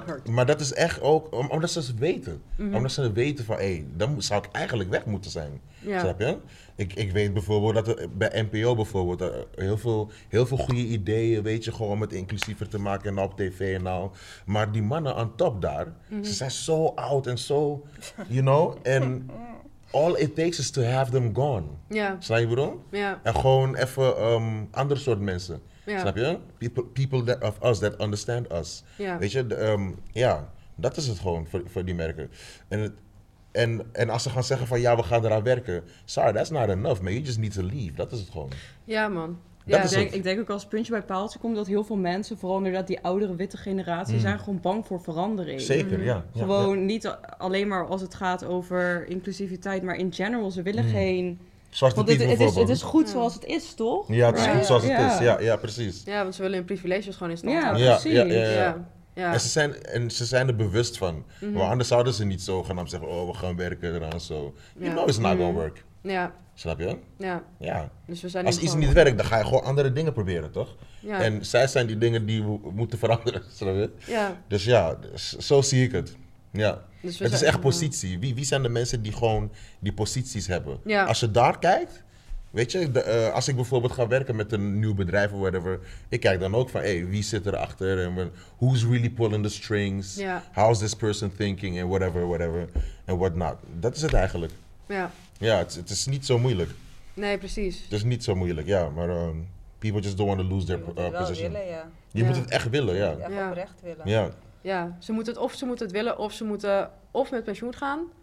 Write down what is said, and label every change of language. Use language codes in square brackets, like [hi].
[nl] Maar dat is echt ook, omdat ze het weten. Mm-hmm. Omdat ze het weten van, hé, dan zou ik eigenlijk weg moeten zijn. Ja. Snap je? Ik weet bijvoorbeeld dat er bij NPO bijvoorbeeld heel veel goede ideeën, weet je, gewoon om het inclusiever te maken en op tv en al. Maar die mannen aan top daar, ze zijn zo oud en zo, you know? [en] En all it takes is to have them gone. [nl] Ja. Snap je bedoel? Ja. En gewoon even andere soort mensen. Ja. Snap je? [en] People that of us that understand us. [nl] Ja. Weet je? Dat is het gewoon voor die merken. En als ze gaan zeggen van, ja, we gaan eraan werken. [en] Sorry, that's not enough, man. You just need to leave. [nl] Dat is het gewoon. Ja, man. Ja, ik denk ook als puntje bij paaltje komt dat heel veel mensen, vooral inderdaad die oudere witte generatie, zijn gewoon bang voor verandering. Zeker, ja. Gewoon niet alleen maar als het gaat over inclusiviteit, maar in general, ze willen geen... Zwarte want het is goed zoals het is, toch? Ja, het is goed zoals het is. Ja, precies. Ja, want ze willen hun privileges gewoon in stand houden. Ja, precies. En ze zijn er bewust van. Mm-hmm. Maar anders zouden ze niet zo gaan zeggen, oh, we gaan werken eraan zo. [en] You know it's not gonna work. [nl] Ja. Snap je? Ja. Dus we zijn als iets niet werkt, dan ga je gewoon andere dingen proberen, toch? Ja. En zij zijn die dingen die we moeten veranderen, snap je? Ja. Dus ja, zo zie ik het. Ja. Dus het is echt positie. Wie zijn de mensen die gewoon die posities hebben? Ja. Als je daar kijkt, weet je, als ik bijvoorbeeld ga werken met een nieuw bedrijf of whatever, ik kijk dan ook van, hey, wie zit erachter? [en] En who's really pulling the strings? [nl] Ja. [en] How's this person thinking? [nl] En whatever, whatever. En whatnot. Dat is het eigenlijk. Ja. Ja, het is niet zo moeilijk. Nee, precies. Het is niet zo moeilijk, ja. [en] Maar people just don't want to lose their position. [nl] Je moet het wel willen, ja. Je moet het echt willen, ja. Echt oprecht willen. Ja. Ja, ze moeten het of ze moeten het willen of ze moeten of met pensioen gaan.